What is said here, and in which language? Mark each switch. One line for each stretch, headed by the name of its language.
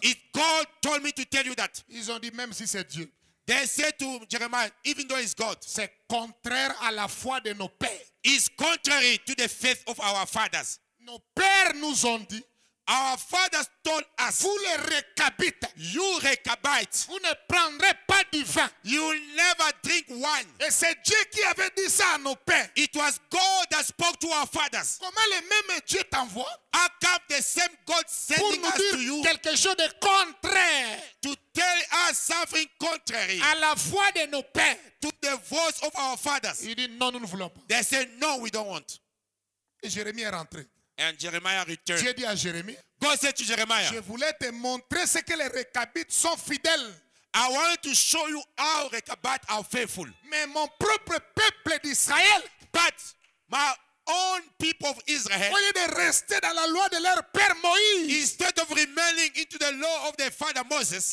English: It God told me to tell you that.
French: Ils ont dit, même si c'est Dieu.
English: They said to Jeremiah, even though it's God.
French: C'est contraire à la foi de nos pères.
English: It's contrary to the faith of our fathers.
French: Nos pères nous ont dit.
English: Our fathers told us.
French: Vous les Rechabites.
English: You Rechabites.
French: Vous ne prendrez pas du vin.
English: You will never drink wine.
French: Et c'est Dieu qui avait dit ça à nos pères.
English: It was God that spoke to our fathers.
French: Comment le même Dieu t'envoie?
English: How come the same God sending us to you?
French: Quelque chose de contraire.
English: To tell us something contrary.
French: À la foi de nos pères.
English: To the voice of our fathers.
French: Il dit non, nous ne voulons pas.
English: They said no, we don't want.
French: Et Jérémie est rentré.
English: And Jeremiah returned.
French: Dieu dit à Jérémie.
English: God said to Jeremiah.
French: Je voulais te montrer ce que les Rechabites sont fidèles.
English: I wanted to show you how Rechabites are faithful.
French: Mais mon propre peuple d'Israël.
English: But my own people of Israel.
French: Au lieu de rester dans la loi de leur père Moïse.
English: Instead of remaining into the law of their father Moses.